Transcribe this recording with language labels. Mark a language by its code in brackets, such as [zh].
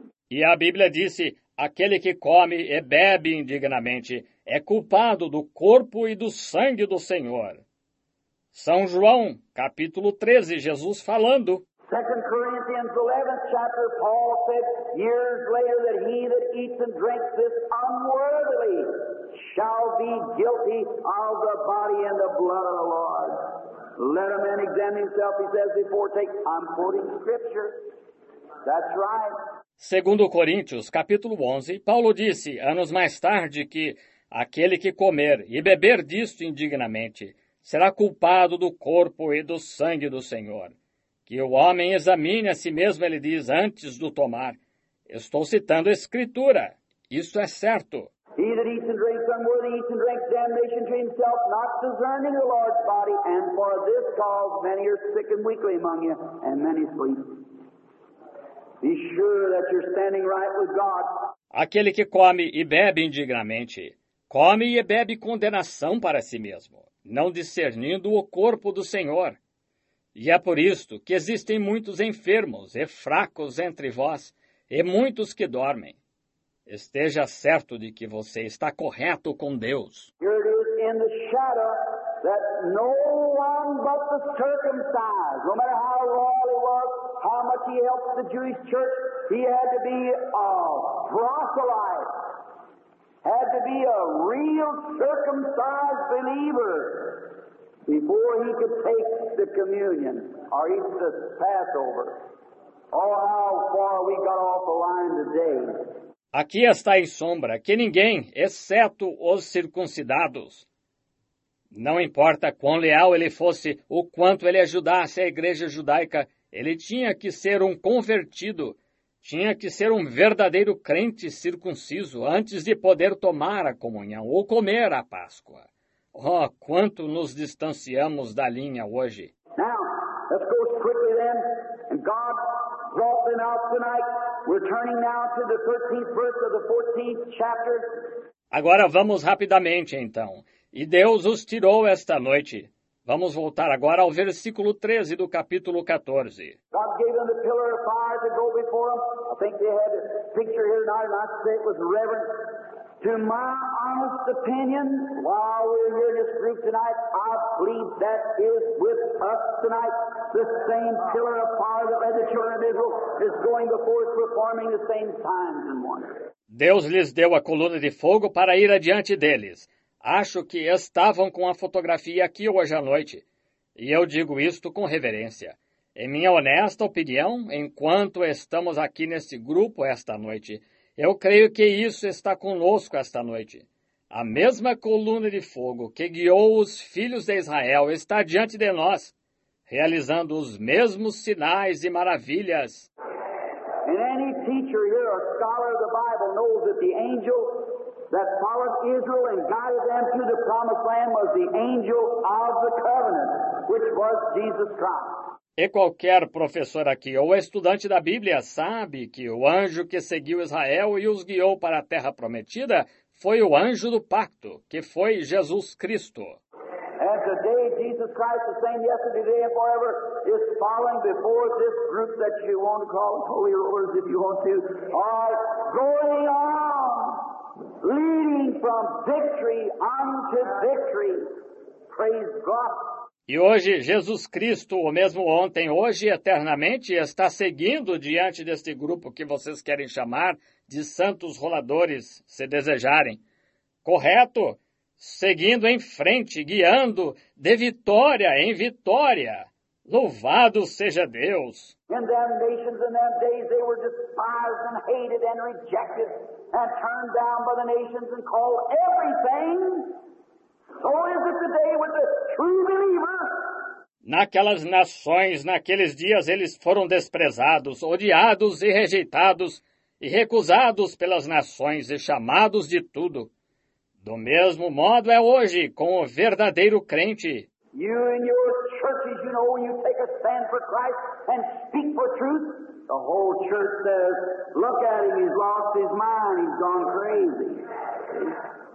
[pt] E a Bíblia disse, aquele que come e bebe indignamente é culpado do corpo e do sangue do Senhor. São João, capítulo 13, Jesus falando. [en] 2 Corinthians 11, chapter, Paul said years later that he that eats and drinks this unworthily shall be guilty of the body and the blood of the Lord. Let a man examine himself, he says before take. I'm quoting scripture. That's right. [pt] 2 Coríntios, capítulo 11, Paulo disse, anos mais tarde, que aquele que comer e beber disto indignamente será culpado do corpo e do sangue do Senhor. Que o homem examine a si mesmo, ele diz, antes do tomar. Estou citando a Escritura. Isto é certo. [en] He that eats and drinks unworthy eats and drinks damnation to himself, not discerning the Lord's body, and for this cause many are sick and weakly among you, and many sleep. Be sure that you're standing right with God. [pt] Aquele que come e bebe indignamente, come e bebe condenação para si mesmo, não discernindo o corpo do Senhor. E é por isto que existem muitos enfermos e fracos entre vós, e muitos que dormem. Esteja certo de que você está correto com Deus. [en] Here it is in the shadow that no one but the circumcised, no matter how royal he was, how much he helped the Jewish church, he had to be a proselyte, had to be a real circumcised believer before he could take the communion or eat the Passover. Oh, how far we got off the line today. [pt] Aqui está em sombra que ninguém, exceto os circuncidados, não importa quão leal ele fosse, o quanto ele ajudasse a igreja judaica, ele tinha que ser um convertido, tinha que ser um verdadeiro crente circunciso antes de poder tomar a comunhão ou comer a Páscoa. Oh, quanto nos distanciamos da linha hoje! [en] Now, let's go quickly then, and God brought them out tonight. We're turning now to the 13th verse of the 14th chapter. [pt] Agora vamos rapidamente então. E Deus os tirou esta noite. Vamos voltar agora ao versículo 13 do capítulo 14. [en] God gave them the pillar of fire to go before them. I think they had a picture here tonight, and I say it was reverent. To my honest opinion, while we're here in this group tonight, I believe that is with us tonight. The same pillar of fire that led the children of Israel is going before us, performing the same signs and wonders. [pt] Deus lhes deu a coluna de fogo para ir adiante deles. Acho que estavam com a fotografia aqui hoje à noite. E eu digo isto com reverência. Em minha honesta opinião, enquanto estamos aqui neste grupo esta noite, eu creio que isso está conosco esta noite. A mesma coluna de fogo que guiou os filhos de Israel está diante de nós, realizando os mesmos sinais e maravilhas. [en] And any teacher here, a scholar of the Bible, knows that the angel that followed Israel and guided them to the promised land was the angel of the covenant, which was Jesus Christ. [pt] E qualquer professor aqui ou estudante da Bíblia sabe que o anjo que seguiu Israel e os guiou para a terra prometida foi o anjo do pacto, que foi Jesus Cristo. [en] And today Jesus Christ, the same yesterday, today and forever, is following before this group that you want to call holy rollers if you want to, are going on, leading from victory unto victory. Praise God. [pt] E hoje, Jesus Cristo, o mesmo ontem, hoje e eternamente, está seguindo diante deste grupo que vocês querem chamar de santos roladores, se desejarem. Correto? Seguindo em frente, guiando, de vitória em vitória. Louvado seja Deus! [en] In them nations, in them days, they were despised and hated and rejected and turned down by the nations and called everything. So is it today with the true believer. [pt] Naquelas nações, naqueles dias, eles foram desprezados, odiados e rejeitados, e recusados pelas nações e chamados de tudo. Do mesmo modo é hoje com o verdadeiro crente. [en] You and your churches, you know, when you take a stand for Christ and speak for truth, the whole church says, look at him, he's lost his mind, he's gone crazy.